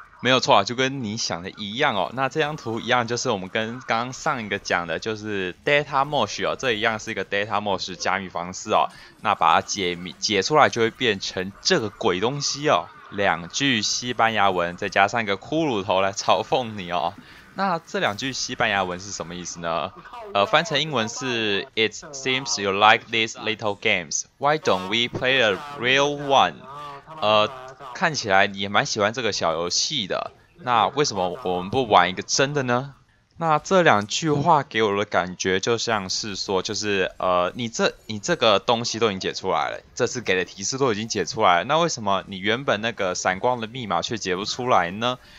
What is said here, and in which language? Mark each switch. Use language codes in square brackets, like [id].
[zh] 没有错啊，就跟你想的一样哦。那这张图一样，就是我们跟刚刚上一个讲的，就是 data mesh 哦，这一样是一个 data mesh 加密方式哦。那把它解出来，就会变成这个鬼东西哦，两句西班牙文，再加上一个骷髅头来嘲讽你哦。那这两句西班牙文是什么意思呢？翻成英文是 [en] It seems you like these little games. Why don't we play a real one? [zh] 看起来你也蛮喜欢这个小游戏的，那为什么我们不玩一个真的呢？那这两句话给我的感觉就像是说，就是你这个东西都已经解出来了，这次给的提示都已经解出来了，那为什么你原本那个闪光的密码却解不出来呢？